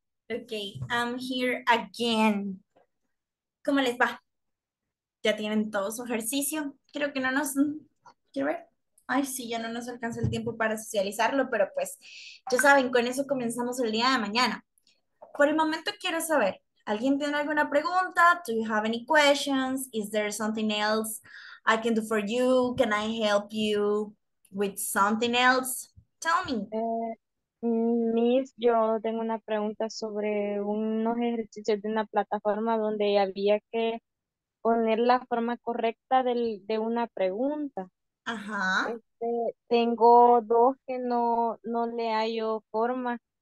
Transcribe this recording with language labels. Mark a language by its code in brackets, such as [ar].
[en] Okay, I'm here again. [es] ¿Cómo les va? ¿Ya tienen todo su ejercicio? Creo que no nos... Quiero ver. Ay, sí, ya no nos alcanza el tiempo para socializarlo, pero pues, ya saben, con eso comenzamos el día de mañana. Por el momento quiero saber, ¿alguien tiene alguna pregunta? [en] Do you have any questions? Is there something else I can do for you? Can I help you with something else? Tell me. [es] Miss, yo tengo una pregunta sobre unos ejercicios de una plataforma donde había que poner la forma correcta de una pregunta. Ajá. Tengo dos que no le hallo forma.